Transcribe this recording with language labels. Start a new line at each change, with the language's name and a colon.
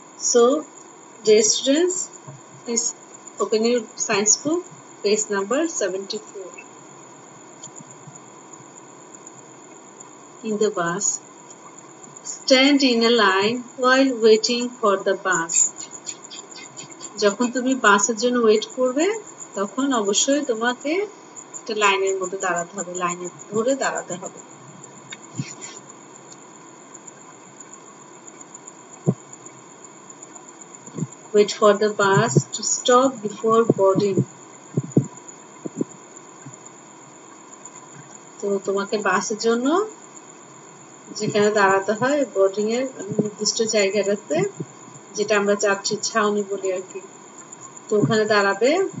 English: So, dear students, please open your science book, page number 74. In the bus, stand in a line while waiting for the bus.
Bangla: যখন তুমি বাসের জন্য wait করবে তখন অবশ্যই তোমাকে একটা লাইনের মধ্যে দাঁড়াতে হবে, লাইনে ধরে দাঁড়াতে হবে।
English: Wait for the bus to stop before boarding.
Bangla: তো তোমাকে বাসের জন্য যেখানে দাঁড়াতে হয় বোর্ডিং এর নির্দিষ্ট জায়গাটাতে, যেটা আমরা যাচ্ছি ছাউনি বলি আর কি, তো ওখানে দাঁড়াবে।